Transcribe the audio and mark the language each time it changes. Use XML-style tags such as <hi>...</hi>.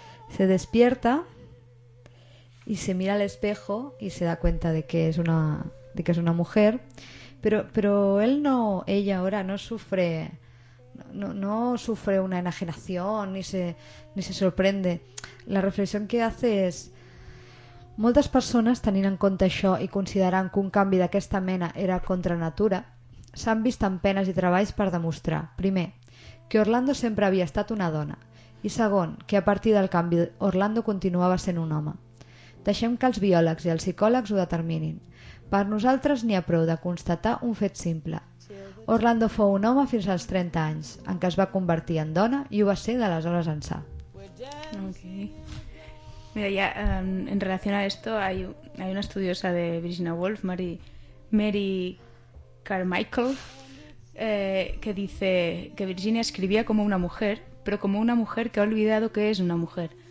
<es>Se despierta y se mira al espejo y se da cuenta de que es una mujer. Pero él no, ella ahora no sufre, no sufre una enajenación ni se sorprende. La reflexión que hace es:</es> <ca>moltes persones, tenint en compte això i considerant que un canvi d'aquesta mena era contra natura, s'han vist amb penes i treballs per demostrar, primer, que Orlando sempre havia estat una dona, i segon, que a partir del canvi Orlando continuava sent un home. Deixem que els biòlegs i els psicòlegs ho determinin. Per nosaltres n'hi ha prou de constatar un fet simple. Orlando fou un home fins als 30 anys, en què es va convertir en dona i ho va ser d'aleshores ençà. Okay.</ca> <es>Mira, ya,</es> <ca>en relació a</ca> <es>esto, hay una estudiosa de Virginia Woolf, Mary Carmichael, que dice que Virginia escribía como una mujer, pero como una mujer que ha olvidado que es una mujer.</es>